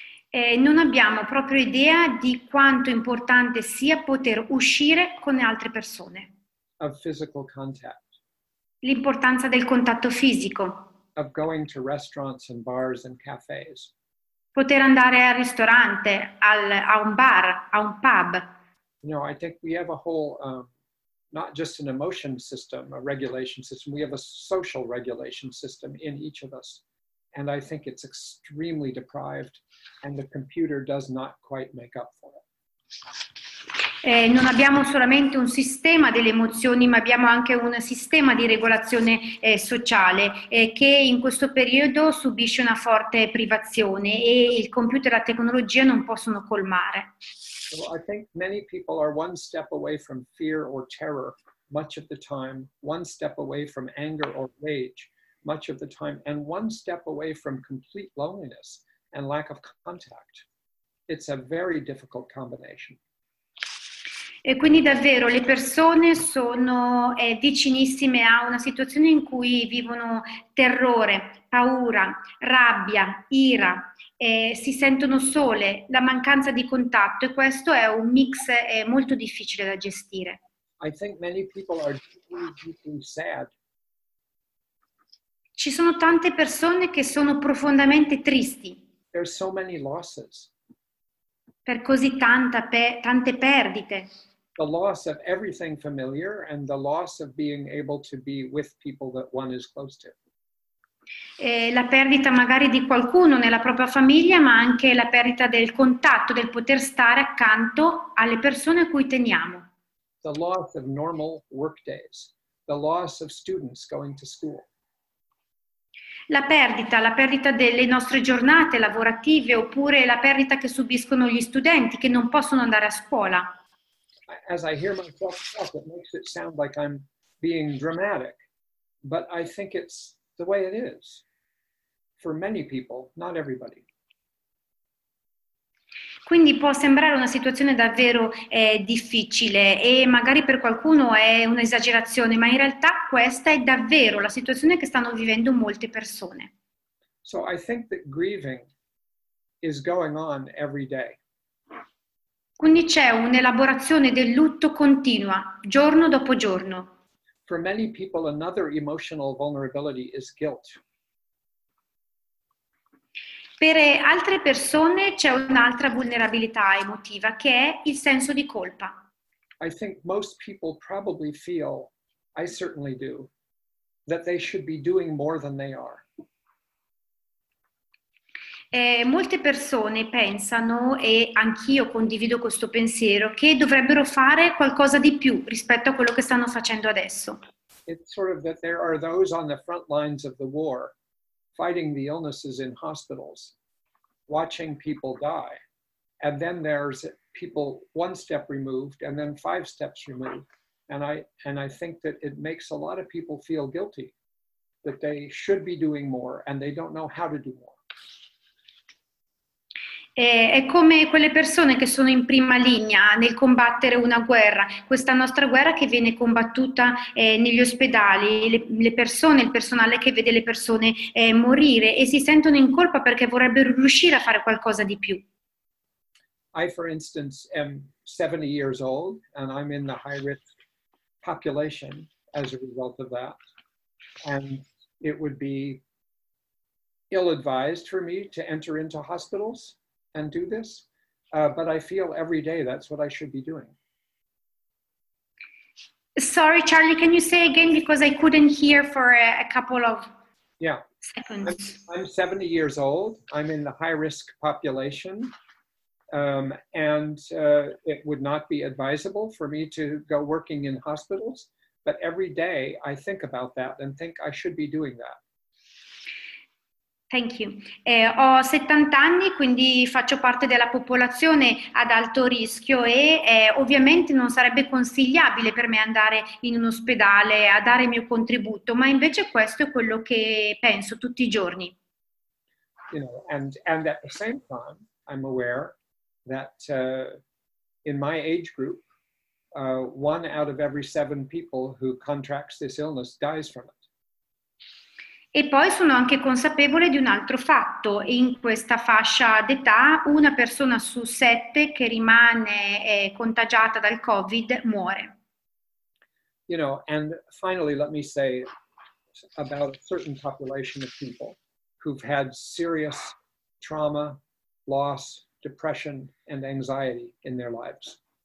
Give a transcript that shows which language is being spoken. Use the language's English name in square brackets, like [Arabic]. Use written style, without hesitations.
[Italian] Non abbiamo proprio idea di quanto importante sia poter uscire con altre persone. [English] Of physical contact. [Italian] L'importanza del contatto fisico. [English] Of going to restaurants and bars and cafes. [Italian] Poter andare al ristorante, a un bar, a un pub. [English] No, I think we have a whole, not just an emotion system, a regulation system, we have a social regulation system in each of us. And I think it's extremely deprived, and the computer does not quite make up for it. [Italian] Non abbiamo solamente un sistema delle emozioni, ma abbiamo anche un sistema di regolazione sociale che in questo periodo subisce una forte privazione e il computer e la tecnologia non possono colmare. [English] Well, I think many people are one step away from fear or terror much of the time, one step away from anger or rage much of the time, and one step away from complete loneliness and lack of contact. It's a very difficult combination. [Italian] E quindi davvero le persone sono vicinissime a una situazione in cui vivono terrore, paura, rabbia, ira, si sentono sole, la mancanza di contatto, e questo è un mix molto difficile da gestire. [English] I think many people are deeply sad. [Italian] Ci sono tante persone che sono profondamente tristi. [English] There are so many losses. [Italian] Per così tante perdite. [English] The loss of everything familiar and the loss of being able to be with people that one is close to. [Italian] La perdita magari di qualcuno nella propria famiglia, ma anche la perdita del contatto, del poter stare accanto alle persone a cui teniamo. [English] The loss of normal work days, the loss of students going to school. [Italian] La perdita delle nostre giornate lavorative, oppure la perdita che subiscono gli studenti che non possono andare a scuola. [English] As I hear myself talk, it makes it sound like I'm being dramatic, but I think it's the way it is for many people, not everybody. [Italian] Quindi può sembrare una situazione davvero difficile e magari per qualcuno è un'esagerazione, ma in realtà questa è davvero la situazione che stanno vivendo molte persone. [English] So I think that grieving is going on every day. [Italian] Quindi c'è un'elaborazione del lutto continua, giorno dopo giorno. [English] For many people, another emotional vulnerability is guilt. [Italian] Per altre persone c'è un'altra vulnerabilità emotiva che è il senso di colpa. [English] I think most people probably feel, I certainly do, that they should be doing more than they are. [Italian] Molte persone pensano, e anch'io condivido questo pensiero, che dovrebbero fare qualcosa di più rispetto a quello che stanno facendo adesso. [English] It's sort of that there are those on the front lines of the war, fighting the illnesses in hospitals, watching people die, and then there's people one step removed, and then five steps removed, and I think that it makes a lot of people feel guilty, that they should be doing more, and they don't know how to do more. [Italian] È come quelle persone che sono in prima linea nel combattere una guerra, questa nostra guerra che viene combattuta negli ospedali, le persone, il personale che vede le persone morire e si sentono in colpa perché vorrebbero riuscire a fare qualcosa di più. [English] I, for instance, am 70 years old and I'm in the high-risk population as a result of that. And it would be ill-advised for me to enter into hospitals and do this, but I feel every day that's what I should be doing. Sorry, Charlie, can you say again because I couldn't hear for a couple of seconds. I'm 70 years old, I'm in the high-risk population, and it would not be advisable for me to go working in hospitals, but every day I think about that and think I should be doing that. Thank you. [Italian] Ho 70 anni, quindi faccio parte della popolazione ad alto rischio e ovviamente non sarebbe consigliabile per me andare in un ospedale a dare il mio contributo, ma invece questo è quello che penso tutti i giorni. [English] You know, and at the same time, I'm aware that in my age group, one out of every seven people who contracts this illness dies from it. [Italian] E poi sono anche consapevole di un altro fatto. In questa fascia d'età, una persona su sette che rimane contagiata dal Covid muore. [English] You know, and finally let me say about a certain population of people who've had serious trauma, loss, depression and anxiety in their lives.